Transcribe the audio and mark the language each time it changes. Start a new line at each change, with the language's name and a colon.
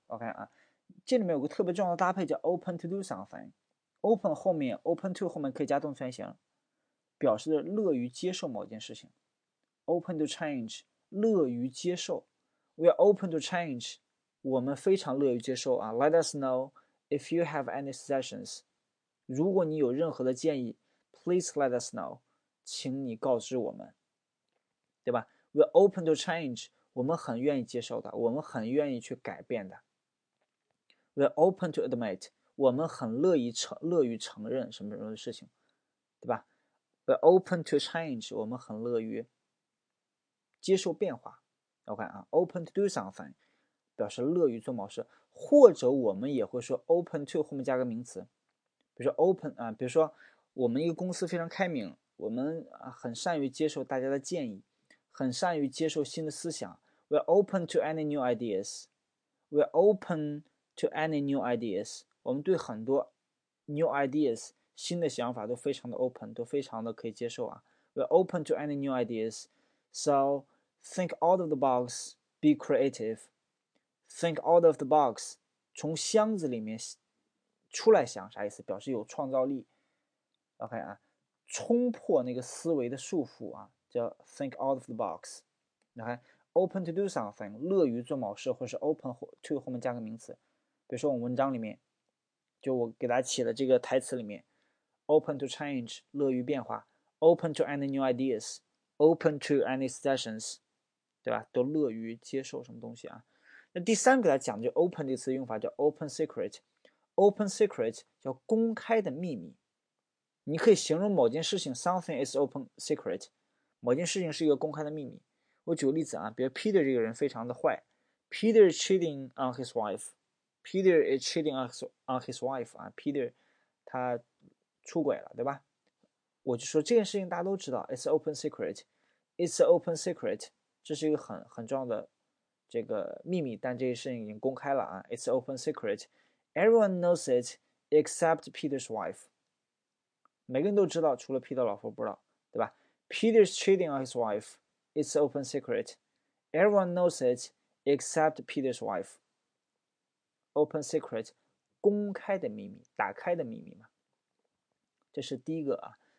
Chinese: OK 啊，这里面有个特别重要的搭配叫 open to do something， open 后面 open to 后面可以加动词原形，表示的乐于接受某件事情， open to change， 乐于接受，
English: we are open to change，
Chinese: 我们非常乐于接受啊。
English: let us know if you have any suggestions，
Chinese: 如果你有任何的建议，
English: please let us know，
Chinese: 请你告知我们，对吧？
English: We're open to change，
Chinese: 我们很愿意接受的，我们很愿意去改变的。
English: We're open to admit，
Chinese: 我们很乐于承认什么什么的事情，对吧？
English: We're open to change，
Chinese: 我们很乐于接受变化。 OK 啊， open to do something 表示乐于做某事，或者我们也会说 open to 后面加个名词，比如说 open 啊，比如说我们一个公司非常开明，我们很善于接受大家的建议，很善于接受新的思想，
English: We're open to any new ideas， We're open to any new ideas，
Chinese: 我们对很多 new ideas 新的想法都非常的 open， 都非常的可以接受啊。
English: We're open to any new ideas. So think out of the box, be creative. Think out of the box，
Chinese: 从箱子里面出来想，啥意思？表示有创造力。 OK 啊，冲破那个思维的束缚啊，叫 think out of the box。 OK， open to do something， 乐于做某事，或是 open to 后面加个名词。比如说我们文章里面，就我给大家起的这个台词里面， open to change， 乐于变化。
English: Open to any new ideas, open to any suggestions, 对吧？
Chinese: 都乐于接受什么东西啊？那第三个来讲，就 open 这词用法叫 open secret, open secret 叫公开的秘密。你可以形容某件事情 ，
English: something is open secret，
Chinese: 某件事情是一个公开的秘密。我举个例子啊，比如 Peter 这个人非常的坏 ，
English: Peter is cheating on his wife, Peter is cheating on his wife
Chinese: 啊 ，Peter 他出轨了，对吧？我就说这件事情大家都知道 ，
English: it's open secret， it's open secret，
Chinese: 这是一个很重要的这个秘密，但这件事情已经公开了啊 ，
English: it's open secret， everyone knows it except Peter's wife，
Chinese: 每个人都知道，除了 Peter 老婆不知道，对吧 ？
English: Peter's cheating on his wife， it's open secret， everyone knows it except Peter's wife， open secret，
Chinese: 公开的秘密，打开的秘密嘛，这是第一个啊。